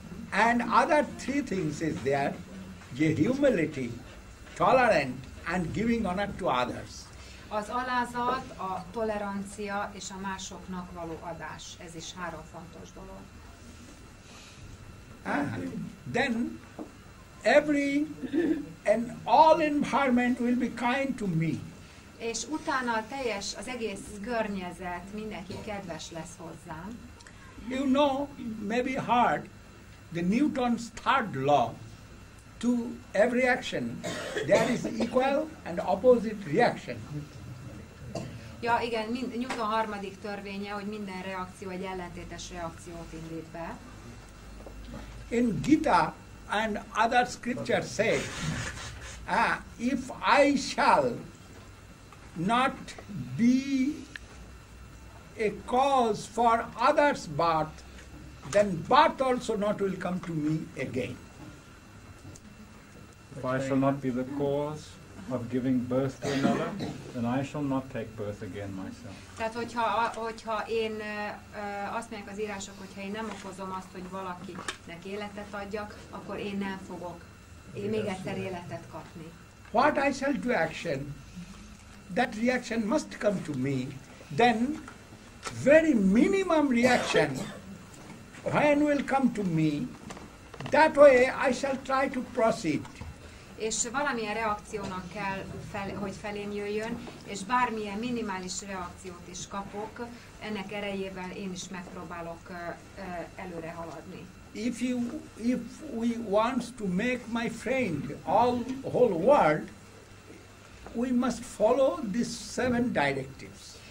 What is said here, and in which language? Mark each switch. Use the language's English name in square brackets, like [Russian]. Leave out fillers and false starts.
[English] And other three things is there, the humility, tolerant, and giving honor to others. [Hungarian] Az alázat, a tolerancia és a másoknak való adás, ez is három fontos dolog. [English] And then every and all environment will be kind to me. [Hungarian] És utána teljes az egész környezet mindenki kedves lesz hozzám. [English] You know, maybe heard the Newton's third law. To every action, there is equal and opposite reaction. [Hungarian] Ja, igen, Newton harmadik törvénye, hogy minden reakció egy ellentétes reakciót indít be. [English] In Gita and other scriptures say, if I shall not be a cause for others' birth, then birth also not will come to me again. If I shall not be the cause of giving birth to another, then I shall not take birth again myself. [Hungarian] Tehát, hogyha én azt mondják az írások, hogyha én nem okozom azt, hogy valakinek életet adjak, akkor én nem fogok én még egyszer életet kapni. [English] What I shall do action, that reaction must come to me, then very minimum reaction, when will come to me, that way I shall try to proceed. [Hungarian] És valamilyen reakciónak kell, hogy felém jöjjön, és bármilyen minimális reakciót is kapok, ennek erejével én is megpróbálok előre haladni. [English] If we want to make my friend all whole world, we must follow these seven directives.